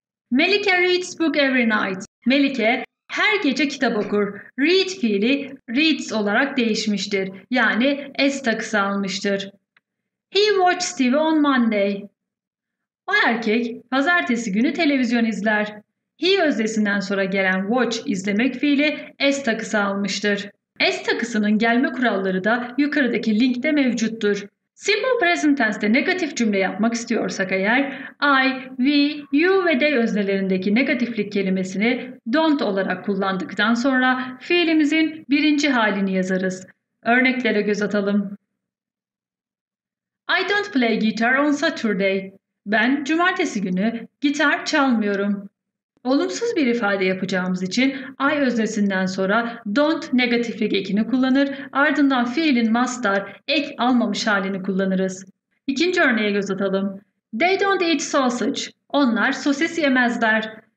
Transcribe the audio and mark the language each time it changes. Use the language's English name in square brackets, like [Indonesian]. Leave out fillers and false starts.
[English] Melike reads book every night. [Turkish] Melike her gece kitap okur. Read fiili reads olarak değişmiştir. Yani s takısı almıştır. [English] He watches TV on Monday. [Turkish] O erkek pazartesi günü televizyon izler. He öznesinden sonra gelen watch izlemek fiili s takısı almıştır. S takısının gelme kuralları da yukarıdaki linkte mevcuttur. Simple present tense'te negatif cümle yapmak istiyorsak eğer I, we, you ve they öznelerindeki negatiflik kelimesini don't olarak kullandıktan sonra fiilimizin birinci halini yazarız. Örneklere göz atalım. [English] I don't play guitar on Saturday. [Turkish] Ben cumartesi günü gitar çalmıyorum. Olumsuz bir ifade yapacağımız için I öznesinden sonra don't negatiflik ekini kullanır, ardından fiilin mastar ek almamış halini kullanırız. İkinci örneğe göz atalım. [English] They don't eat sausage. [Turkish] Onlar sosis yemezler.